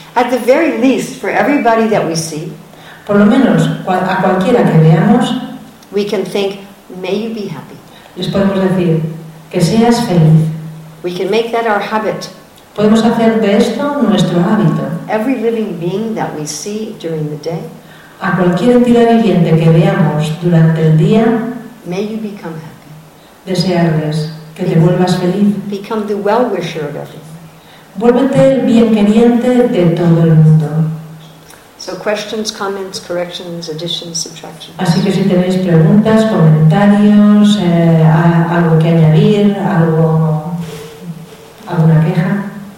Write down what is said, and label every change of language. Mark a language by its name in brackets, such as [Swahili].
[English] At the very least, for everybody that we see, [Spanish] por lo menos a cualquiera que veamos, [English] we can think, may you be happy. [Spanish] Les podemos decir que seas feliz. [English] We can make that our habit. [Spanish] Podemos hacer de esto nuestro hábito. [English] Every living being that we see during the day, [Spanish] a cualquier entidad viviente que veamos durante el día, [English] may you become happy. [Spanish] Desearles que te vuelvas feliz. [English] Become the well-wisher of everything. [Spanish] Vuélvete el bien queriente de todo el mundo. [English] So questions, comments, corrections, additions, subtractions. [Spanish] Así que si tenéis preguntas, comentarios, algo que añadir, algo, alguna queja.